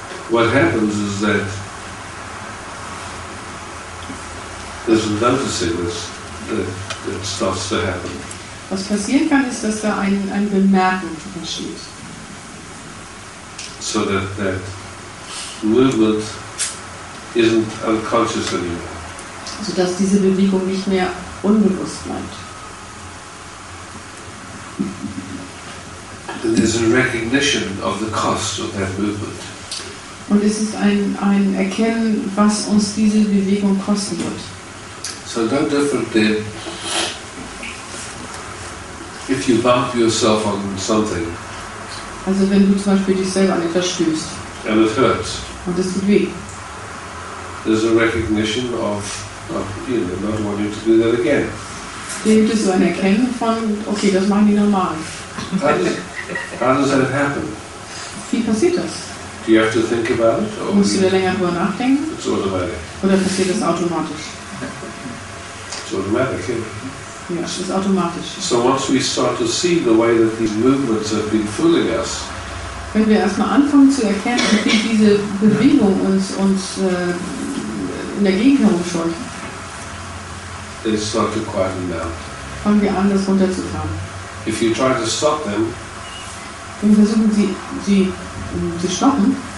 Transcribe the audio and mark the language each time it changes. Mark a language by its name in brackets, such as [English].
[English] What happens is that there's noticing that starts to happen. [German] Was passieren kann, ist, dass da ein Bemerken entsteht. [English] So that movement isn't unconscious anymore. [German] So dass diese Bewegung nicht mehr unbewusst bleibt. [English] that there's a recognition of the cost of that movement. [German] Und es ist ein Erkennen, was uns diese Bewegung kosten wird. [English] So no different than if you bump yourself on something. [German] Also wenn du zum Beispiel dich selber an etwas stößt. [English] And it hurts. [German] Und es tut weh. [English] There's a recognition of you know, not wanting to do that again. [German] Dann gibt es so ein Erkennen von, okay, das machen die normal. [English] How does that happen? [German] Wie passiert das? [English] Do you have to think about it? [German] Or musst du da länger drüber nachdenken? [English] It's automatic. [German] Oder passiert das automatisch? [English] It's automatic, yeah. [German] Ja, es ist automatisch. [English] So once we start to see the way that these movements have been fooling us, [German] wenn wir erstmal anfangen zu erkennen, wie diese Bewegung uns in der Gegend herumschaut, [English] they start to quieten down. [German] Fangen wir an, das runterzufahren. [English] If you try to stop them, [German] wenn wir versuchen, sie zu stoppen,